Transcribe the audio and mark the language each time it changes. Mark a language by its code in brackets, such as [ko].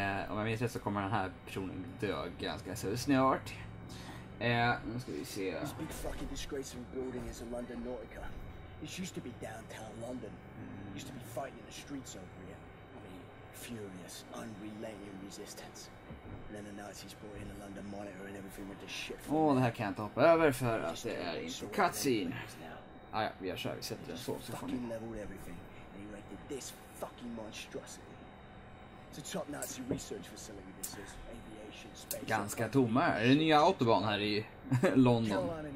[sv] om jag minns rätt så kommer den här personen dö ganska så snart. Nu ska vi se. [en] This big fucking disgraceful building is a London Nautica. It used to be downtown London. It used to be fighting in the streets over here. I mean, furious, unrelenting resistance. And then the Nazis brought in the London Monitor and everything went to shit. [sv] Åh, det här kan jag inte hoppa över för att det är inte cutscene. Ah, ja, vi har kört, vi sätter den så får ni. [en] Leveled everything and erected this fucking monstrosity. It's a top Nazi research facility this is. [sv] Ganska tomma. Är det nya autobahn här i London?